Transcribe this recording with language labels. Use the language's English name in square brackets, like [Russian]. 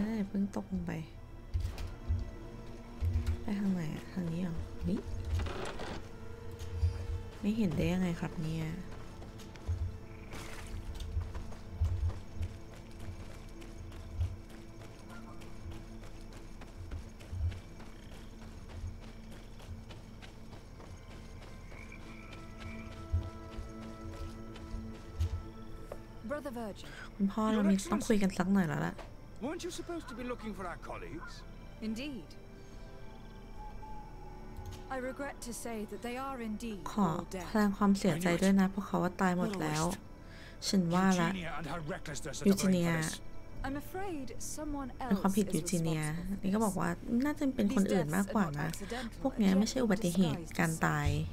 [Thai] เพิ่งตกลงไปไปทางไหนทางนี้เหรอนี่ไม่เห็นได้ยังไงครับเนี่ยคุณพ่อเรามีต้องคุยกันสักหน่อยแล้ วล่ะ [English] Weren't you supposed to be looking for our colleagues? Indeed. I regret to say that they are indeed all dead. [Thai] ขอแสดงความเสียใจด้วยนะเพราะเขาว่าตายหมดแล้วฉันว่าละยูจีเนีย [English] I'm afraid someone else. [Thai] ความผิดยูจีเนียนี่ก็บอกว่าน่าจะเป็นคนอื่นมากกว่านะพวกนี้ไม่ใช่อุบัติเหตุการตาย